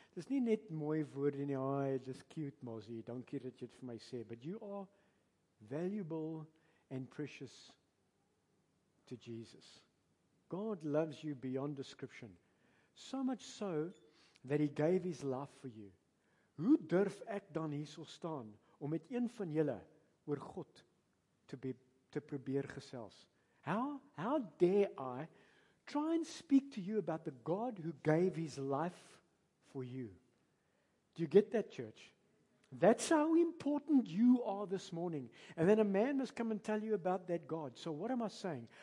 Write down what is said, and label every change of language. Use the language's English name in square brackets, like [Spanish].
[Afrikaans] Dis nie net mooi woord in die haai, dis cute, Mozzie, dankie dat jy het vir my sê, [English] but you are valuable and precious to Jesus. God loves you beyond description. So much so that He gave His life for you. [Afrikaans] Hoe durf ek dan hierso staan om met een van julle oor God te probeer gesels? [English] How dare I try and speak to you about the God who gave His life for you? Do you get that, church? That's how important you are this morning. And then a man must come and tell you about that God. So what am I saying?